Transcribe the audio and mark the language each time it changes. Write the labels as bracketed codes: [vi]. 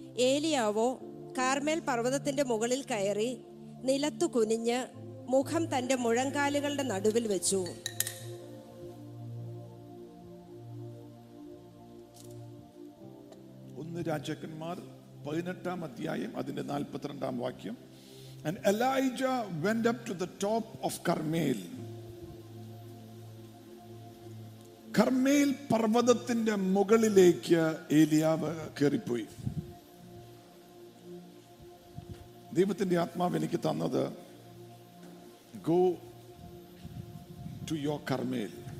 [ml] ഏലിയാവോ കാർമേൽ പർവ്വതത്തിന്റെ മുകളിൽ കയറി നിലത്തു കുനിഞ്ഞ് മുഖം തന്റെ മുഴങ്കാലുകളുടെ നടുവിൽ വെച്ചു. ഒന്ന് രാജാക്കന്മാർ 18 അധ്യായം, അതിന്റെ 42 വാക്യം. [en] And Elijah went up to the top of Carmel. [ml] Carmel പർവ്വതത്തിന്റെ മുകളിലേക്ക് ഏലിയാവ് കയറിപ്പോയി. ദൈവത്തിന്റെ ആത്മാവ് എനിക്ക് തന്നത് ഗോ ടു യുവർ കർമേൽ,